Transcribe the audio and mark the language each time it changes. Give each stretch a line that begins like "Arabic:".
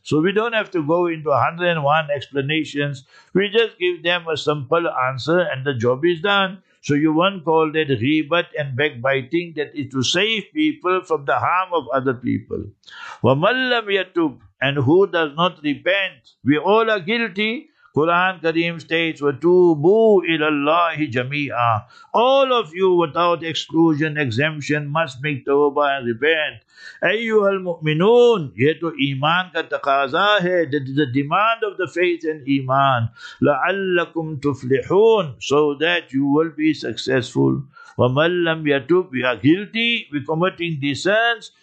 English: So we don't have to go into 101 explanations. We just give them a simple answer and the job is done. So you won't call that ghibat and backbiting. That is to save people from the harm of other people.
Arabic: وَمَنْ لَمْ يَتُوبْ.
English: And who does not repent? We all are guilty. Quran Kareem states,
Arabic: وَتُوبُوا إِلَى اللَّهِ جَمِيعًا.
English: All of you without exclusion, exemption, must make tawbah and repent.
Arabic: أَيُّهَا الْمُؤْمِنُونَ.
Urdu: Yet to iman ka taqaza hai,
English: that is the demand of the faith and iman.
Arabic: لَعَلَّكُمْ تُفْلِحُونَ.
English: So that you will be successful.
Arabic: وَمَنْ لَمْ يَتُوبْ.
English: We are guilty, we committing these sins,